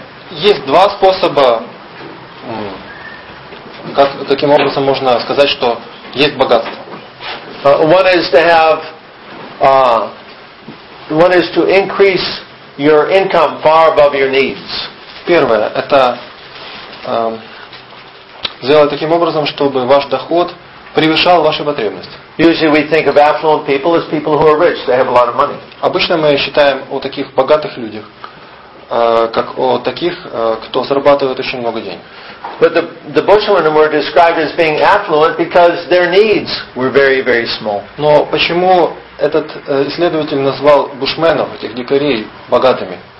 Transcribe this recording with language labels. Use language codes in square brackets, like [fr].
[ru] Есть два способа, как таким образом можно сказать, что есть богатство. [en] One is to have one is to increase your income far above your needs. [ru] Первое, это сделать таким образом, чтобы ваш доход превышал ваши потребности. [en] Usually we think of affluent people as people who are rich, they have a lot of money. [ru] Обычно мы считаем о таких богатых людях, как о таких, кто зарабатывает очень много денег. [en] But the bushmen were described as being affluent because their needs were very, very small. [ru] Но почему этот исследователь назвал бушменов, этих дикарей, богатыми?